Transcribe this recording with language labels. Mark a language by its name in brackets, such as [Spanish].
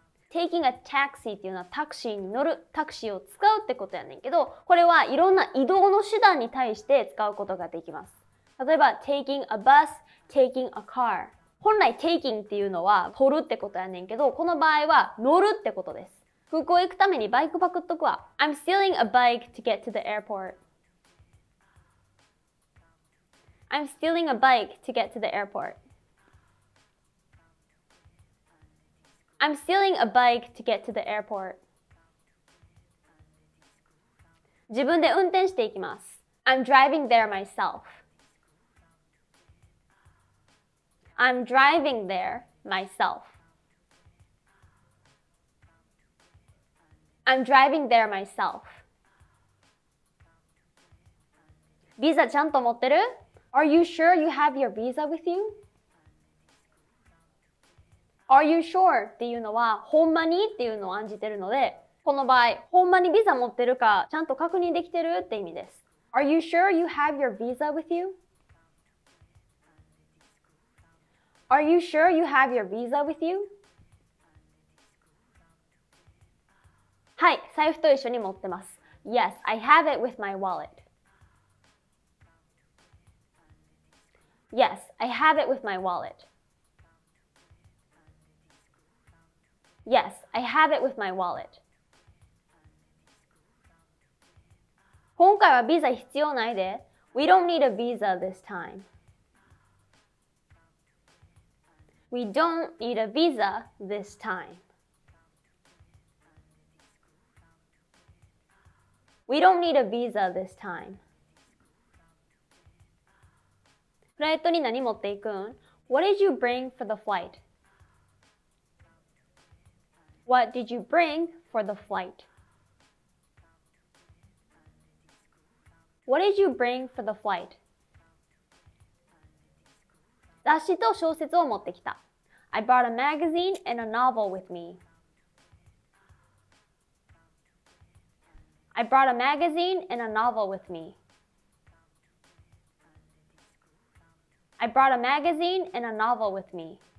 [English] Taking a taxi [Japanese] っていうのはタクシーに乗る、タクシーを使うってことやねんけど、これはいろんな移動の手段に対して使うことができます。例えば [English] Taking a bus, taking a car。 [Japanese] 本来 taking っていうのは取るってことやねんけど、この場合は乗るってことです。空港行くためにバイクパクっとくわ。 [English] I'm stealing a bike to get to the airport. I'm stealing a bike to get to the airport. I'm stealing a bike to get to the airport. [Japanese] 自分で運転していきます。 [English] I'm driving there myself. I'm driving there myself. I'm driving there myself. [Japanese] ビザちゃんと持ってる? [English] Are you sure you have your visa with you? Are you sure? [Japanese] っていうのはほんまにっていうのを暗示てるので、この場合ほんまにビザ持ってるかちゃんと確認できてるって意味です。 [English] Are you sure you have your visa with you? Are you sure you have your visa with you? [Japanese] はい、財布と一緒に持ってます。 [English] Yes, I have it with my wallet. Yes, I have it with my wallet. Yes, I have it with my wallet. [Japanese] 今回はビザ必要ないで。 [English] We don't need a visa this time. We don't need a visa this time. We don't need a visa this time. [Japanese] フライトに何持っていくん? [English] What did you bring for the flight? What did you bring for the flight? What did you bring for the flight? [Japanese] 雑誌と小説を持ってきた。 [English] I brought a magazine and a novel with me. I brought a magazine and a novel with me. I brought a magazine and a novel with me.